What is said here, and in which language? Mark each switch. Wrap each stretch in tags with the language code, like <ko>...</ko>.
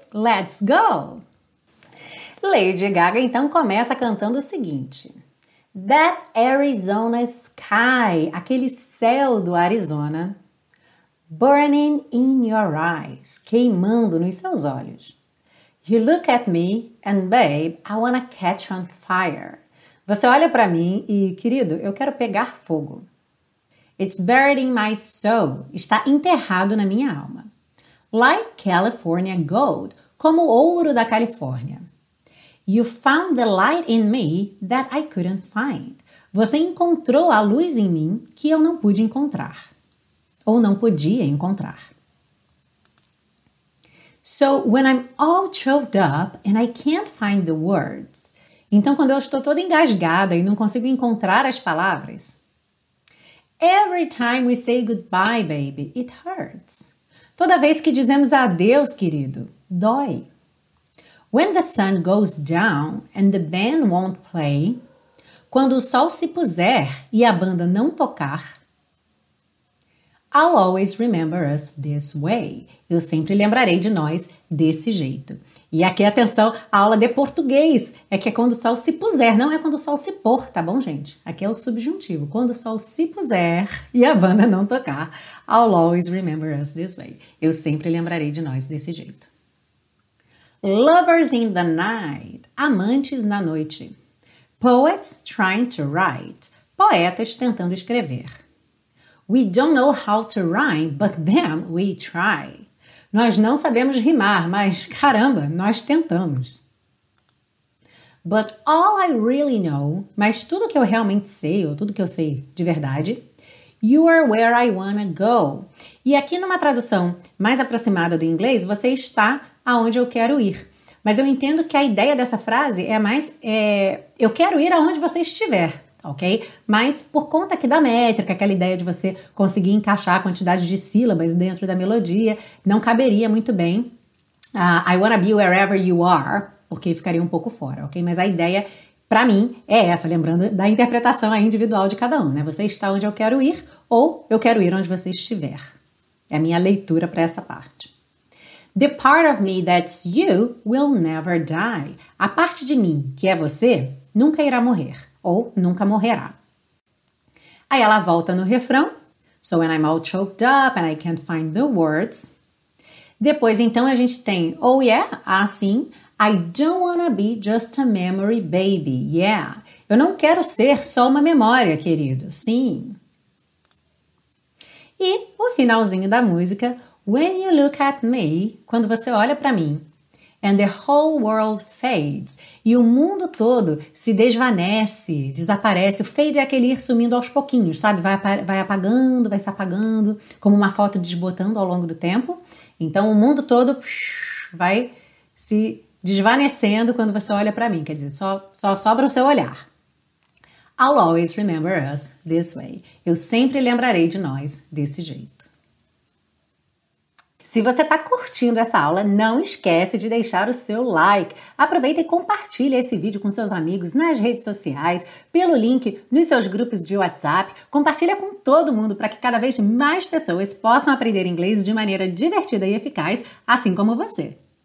<en>Let's go!</en> <pt>Lady Gaga então começa cantando o seguinte.</pt> <en>That Arizona sky,</en> <pt>aquele céu do Arizona,</pt> <en>burning in your eyes,</en> <pt>queimando nos seus olhos.</pt> <en>You look at me and babe, I wanna catch on fire.</en> <pt>Você olha pra mim e, querido, eu quero pegar fogo.</pt> <en>It's buried in my soul,</en> <pt>está enterrado na minha alma.</pt> <en>Like California gold,</en> <pt>como ouro da Califórnia.</pt> <en>You found the light in me that I couldn't find.</en> <pt>Você encontrou a luz em mim que eu não pude encontrar. Ou não podia encontrar.</pt> <en>So when I'm all choked up and I can't find the words.</en> <pt>Então quando eu estou toda engasgada e não consigo encontrar as palavras.</pt> <en>Every time we say goodbye, baby, it hurts.</en> <pt>Toda vez que dizemos adeus, querido, dói.</pt> <en>When the sun goes down and the band won't play.</en> <pt>Quando o sol se puser e a banda não tocar.</pt> <en>I'll always remember us this way.</en> <pt>Eu sempre lembrarei de nós desse jeito. E aqui, atenção, a aula de português. É que é quando o sol se puser, não é quando o sol se pôr, tá bom, gente? Aqui é o subjuntivo. Quando o sol se puser e a banda não tocar.</pt> <en>I'll always remember us this way.</en> <pt>Eu sempre lembrarei de nós desse jeito.</pt> <en>Lovers in the night,</en> <pt>amantes na noite.</pt> <en>Poets trying to write,</en> <pt>poetas tentando escrever.</pt> <en>We don't know how to rhyme, but then we try.</en> <pt>Nós não sabemos rimar, mas caramba, nós tentamos.</pt> <en>But all I really know,</en> <pt>mas tudo que eu realmente sei, ou tudo que eu sei de verdade,</pt> <en>you are where I wanna go.</en> <pt>E aqui numa tradução mais aproximada do inglês, você está aonde eu quero ir. Mas eu entendo que a ideia dessa frase é mais, eu quero ir aonde você estiver, ok? Mas por conta aqui da métrica, aquela ideia de você conseguir encaixar a quantidade de sílabas dentro da melodia, não caberia muito bem,</pt> <en>I wanna be wherever you are,</en> <pt>porque ficaria um pouco fora, ok? Mas a ideia, pra mim, é essa, lembrando da interpretação individual de cada um, né? Você está onde eu quero ir ou eu quero ir onde você estiver. É a minha leitura para essa parte.</pt> <en>The part of me that's you will never die.</en> <pt>A parte de mim que é você nunca irá morrer ou nunca morrerá. Aí ela volta no refrão.</pt> <en>So when I'm all choked up and I can't find the words.</en> <pt>Depois, então, a gente tem,</pt> <en>oh yeah, assim, I don't wanna be just a memory baby, yeah.</en> <pt>Eu não quero ser só uma memória, querido, sim. E o finalzinho da música,</pt> <en>when you look at me,</en> <pt>quando você olha pra mim,</pt> <en>and the whole world fades,</en> <pt>e o mundo todo se desvanece, desaparece, o fade é aquele ir sumindo aos pouquinhos, sabe? Vai se apagando, como uma foto desbotando ao longo do tempo. Então, o mundo todo vai se desvanecendo quando você olha pra mim. Quer dizer, só sobra o seu olhar.</pt> <en>I'll always remember us this way.</en> <pt>Eu sempre lembrarei de nós desse jeito. Se você está curtindo essa aula, não esquece de deixar o seu like. Aproveita e compartilha esse vídeo com seus amigos nas redes sociais, pelo link nos seus grupos de WhatsApp. Compartilha com todo mundo para que cada vez mais pessoas possam aprender inglês de maneira divertida e eficaz, assim como você.</pt>